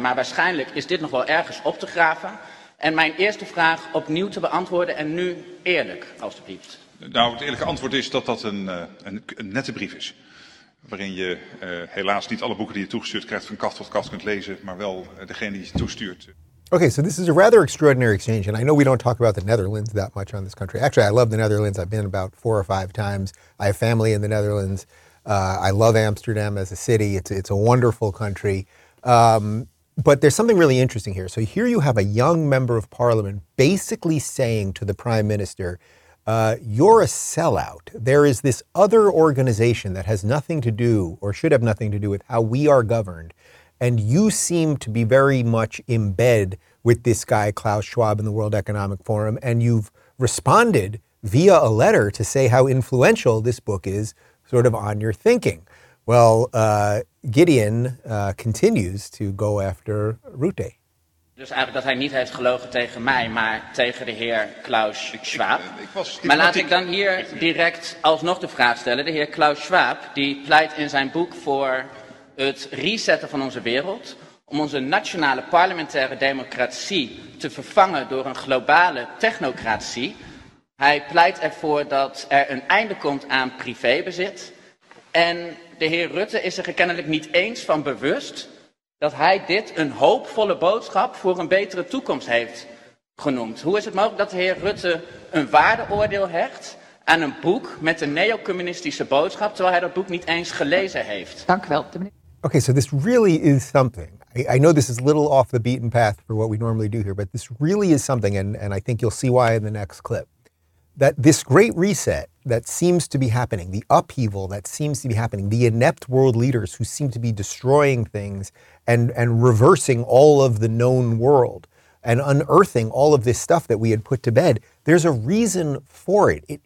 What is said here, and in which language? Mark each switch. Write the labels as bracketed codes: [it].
[nl] Maar waarschijnlijk is dit nog wel ergens op te graven. En mijn eerste vraag opnieuw te beantwoorden en nu eerlijk, alstublieft. Nou, het eerlijke antwoord is dat dat een nette brief is. Waarin je helaas niet alle boeken die je toegestuurd krijgt van kast tot kast kunt lezen, maar wel degene die je toestuurt. [en] Okay, so this is a rather extraordinary exchange, and I know we don't talk about the Netherlands that much on this country. Actually, I love the Netherlands. I've been about 4 or 5 times. I have family in the Netherlands. I love Amsterdam as a city. It's a wonderful country. But there's something really interesting here. So here you have a young member of parliament basically saying to the prime minister, you're a sellout. There is this other organization that has nothing to do or should have nothing to do with how we are governed. And you seem to be very much in bed with this guy, Klaus Schwab, in the World Economic Forum. And you've responded via a letter to say how influential this book is sort of on your thinking. Well, Gideon continues to go after Rutte. [nl] Dus eigenlijk dat hij niet heeft gelogen tegen mij, maar tegen de heer Klaus Schwab. Ik dan hier direct alsnog de vraag stellen. De heer Klaus Schwab, die pleit in zijn boek voor het resetten van onze wereld, om onze nationale parlementaire democratie te vervangen door een globale technocratie. Hij pleit ervoor dat er een einde komt aan privébezit. En de heer Rutte is er kennelijk niet eens van bewust dat hij dit een hoopvolle boodschap voor een betere toekomst heeft genoemd. Hoe is het mogelijk dat de heer Rutte een waardeoordeel hecht aan een boek met een neocommunistische boodschap, terwijl hij dat boek niet eens gelezen heeft? Dank u wel. [en] Okay, so this really is something. I know this is a little off the beaten path for what we normally do here, but this really is something, and I think you'll see why in the next clip, that this great reset that seems to be happening, the upheaval that seems to be happening, the inept world leaders who seem to be destroying things and reversing all of the known world and unearthing all of this stuff that we had put to bed, there's a reason for it.